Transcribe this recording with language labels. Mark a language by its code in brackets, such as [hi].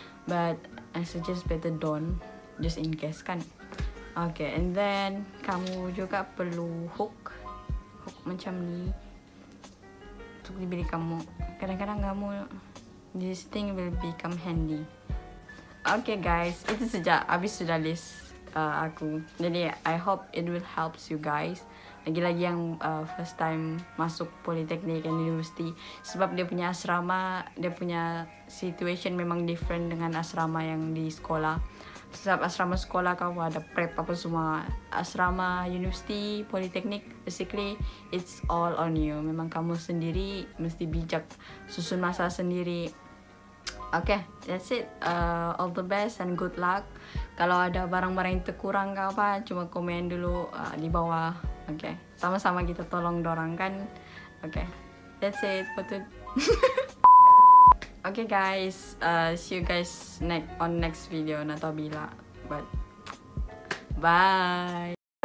[en] But I suggest better don't, just in case kan. [ms] Okay, and then kamu juga perlu hook. Hook macam ni untuk diberi kamu. Kadang-kadang kamu, [en] this thing will become handy. [ms] Okay guys, itu saja. Habis sudah list aku. [en] Jadi I hope it will helps you guys. [ms] Lagi-lagi yang first time masuk politeknik and university. Sebab dia punya asrama, dia punya situation memang different dengan asrama yang di sekolah. Sebab asrama sekolah kamu ada prep apa semua. [en] Asrama university, politeknik, basically it's all on you. [ms] Memang kamu sendiri mesti bijak susun masa sendiri. [en] Okay, that's it. All the best and good luck. [ms] Kalau ada barang-barang yang terkurang ke apa, cuma komen dulu di bawah. Okay, sama-sama kita tolong dorang kan. Okay, [en] that's it for today. Okay guys, see you guys next on next video. Not tahu bila, but bye.